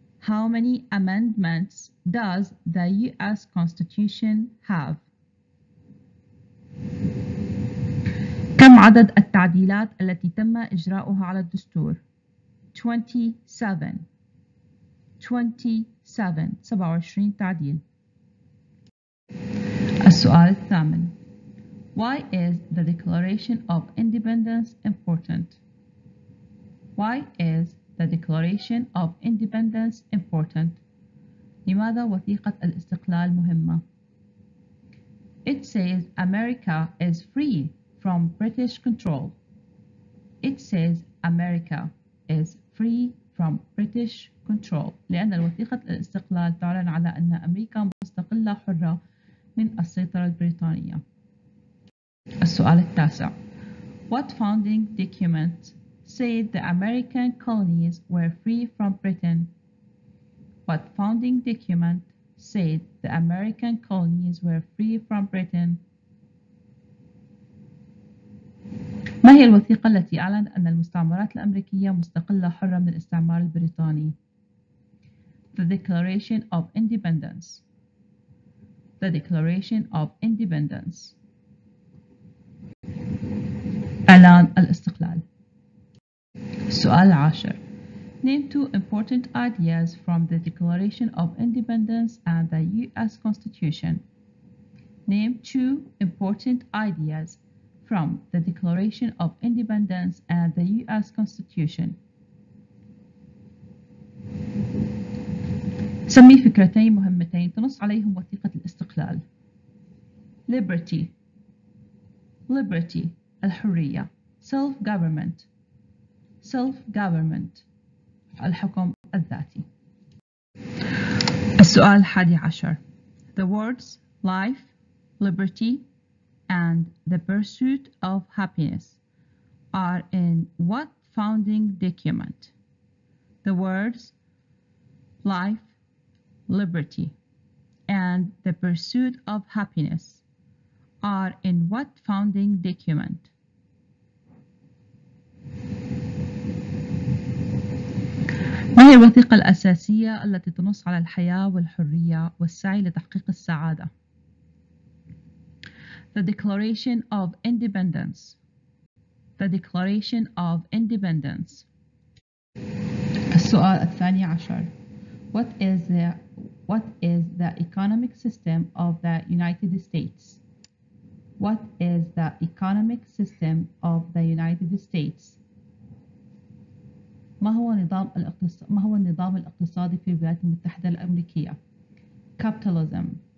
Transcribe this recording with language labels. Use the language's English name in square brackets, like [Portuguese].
[English] How many amendments does the US Constitution have? [Arabic] كم عدد التعديلات التي تم إجراؤها على الدستور؟ 27 تعديل. السؤال الثامن: [English] Why is the Declaration of Independence important? Why is the Declaration of Independence important? [Arabic] لماذا وثيقة الاستقلال مهمة؟ [English] It says America is free from British control. It says America is free from British control. [Arabic] لأن الوثيقة الاستقلال تعلن على أن أمريكا مستقلة حرة من السيطرة البريطانية. السؤال التاسع. [English] What founding document said the American colonies were free from Britain? What founding document said the American colonies were free from Britain? [Arabic] ما هي الوثيقة التي أعلنت أن المستعمرات الأمريكية مستقلة حرة من الاستعمار البريطاني؟ [English] The Declaration of Independence. The Declaration of Independence. [Arabic] إعلان الاستقلال. السؤال العاشر. [English] Name two important ideas from the Declaration of Independence and the US Constitution. Name two important ideas from the Declaration of Independence and the US Constitution. [Arabic] سمي فكرتين مهمتين تنص عليهم وثيقة الاستقلال. [English] Liberty. Liberty. [Arabic] الحرية. [English] Self-government. Self-government. [Arabic] الحكم الذاتي. السؤال الحادي عشر. [English] The words life, liberty, and the pursuit of happiness are in what founding document? The words life, liberty, and the pursuit of happiness are in what founding document? [Arabic] ما هي الوثيقة الأساسية التي تنص على الحياة والحرية والسعي لتحقيق السعادة؟ [English] The Declaration of Independence. The Declaration of Independence. [Arabic] السؤال الثاني عشر. [English] What is the economic system of the United States? What is the economic system of the United States? [Arabic] ما هو النظام الاقتصادي في الولايات المتحدة الأمريكية؟ [English] Capitalism.